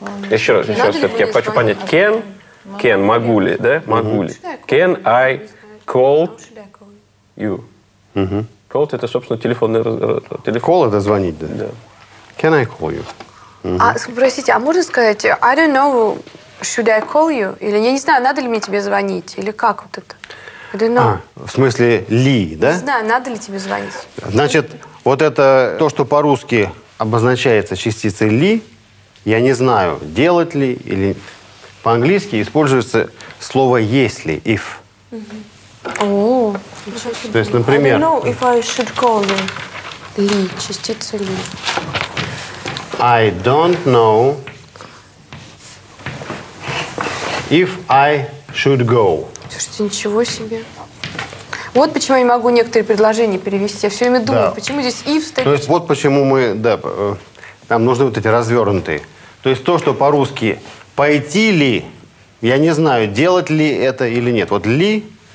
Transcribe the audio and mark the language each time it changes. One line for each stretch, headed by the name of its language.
Russian: Еще раз, все-таки я хочу понять.
English: Can? Can?
Russian: Могу ли? Да? Могу ли?
English: Can I... Called you. Uh-huh.
Russian: Called — это, собственно, телефонный телефон. Call — это звонить, да? Да.
English: Can I call you? Uh-huh.
Russian: А, простите, а можно сказать,
English: I don't know, should I call you?
Russian: Или я не знаю, надо ли мне тебе звонить? Или как вот это?
English: I don't know.
Russian: А, в смысле ли, да? Не знаю, надо ли тебе звонить. Значит, вот это то, что по-русски обозначается частицей ли, я не знаю, делать ли или... По-английски используется слово если, if. Uh-huh. Oh. То есть, например...
English: I don't know if I should call you.
Russian: Ли, частица ли.
English: I don't know if I should go.
Russian: Слушайте, ничего себе. Вот почему я не могу некоторые предложения перевести. Я все время думаю, да. Почему здесь if стоит. То есть, вот почему мы... Да, там нужны вот эти развернутые. То есть, то, что по-русски пойти ли, я не знаю, делать ли это или нет. Вот ли...